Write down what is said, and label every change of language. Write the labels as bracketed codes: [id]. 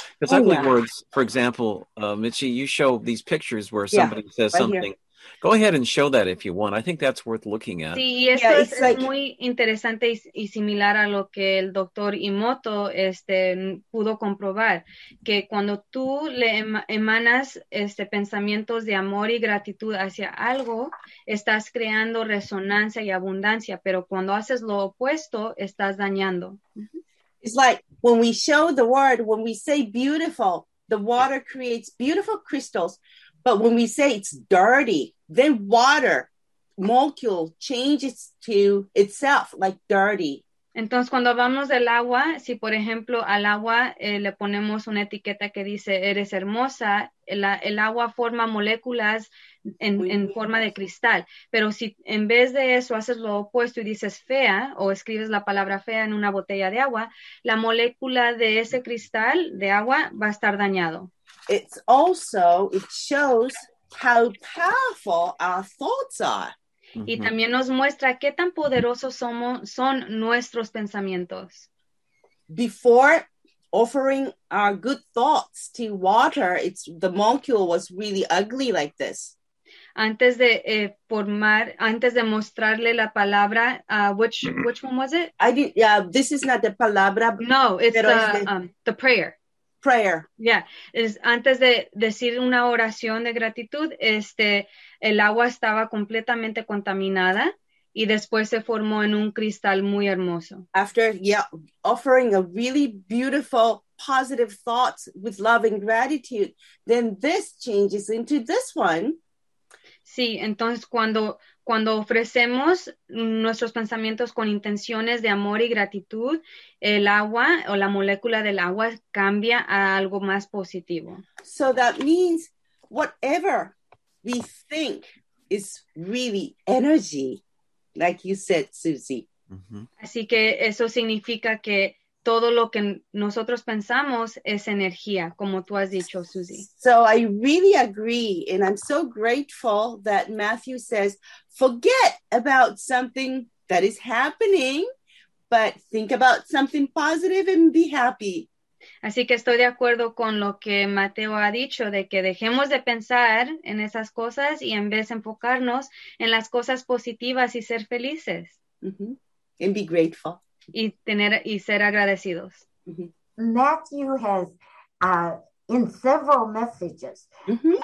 [en] Because words, for example, Michi, you show these pictures where somebody says right something. Here. Go ahead and show that if you want. I think that's worth looking at. [es] Sí, y esto es muy interesante y similar a lo que el doctor Emoto pudo comprobar, que cuando tú le emanas pensamientos de amor y gratitud hacia algo, estás creando resonancia y abundancia, pero cuando haces lo opuesto, estás dañando. [en] It's like when we show the word, when we say beautiful, the water creates beautiful crystals. But when we say it's dirty, then water molecule changes to itself, like dirty. [es] Entonces, cuando hablamos del agua, si, por ejemplo, al agua le ponemos una etiqueta que dice, eres hermosa, el agua forma moléculas en forma de cristal. Pero si en vez de eso haces lo opuesto y dices fea, o escribes la palabra fea en una botella de agua, la molécula de ese cristal de agua va a estar dañado. [en] It's also, it shows how powerful our thoughts are. [es] Y también nos muestra qué tan poderosos son nuestros pensamientos. [en] Before offering our good thoughts to water, the molecule was really ugly like this. [es] Antes de formar, antes de mostrarle la palabra, [en] which one was it? I did, yeah, this is not the palabra. No, it's the prayer. Prayer. Yeah. [es] Antes de decir una oración de gratitud, el agua estaba completamente contaminada y después se formó en un cristal muy hermoso. [en] After, offering a really beautiful positive thoughts with love and gratitude, then this changes into this one. [es] Sí, entonces cuando ofrecemos nuestros pensamientos con intenciones de amor y gratitud, el agua o la molécula del agua cambia a algo más positivo. [en] So that means whatever we think is really energy, like you said, Susie. Mm-hmm. [es] Así que eso significa que todo lo que nosotros pensamos es energía, como tú has dicho, Susie. [en] So I really agree, and I'm so grateful that Matthew says, forget about something that is happening, but think about something positive and be happy. [es] Así que estoy de acuerdo con lo que Mateo ha dicho, de que dejemos de pensar en esas cosas y en vez enfocarnos en las cosas positivas y ser felices. [en] Mm-hmm. And be grateful. [es] Y ser agradecidos. [en] Matthew has, in several messages, mm-hmm.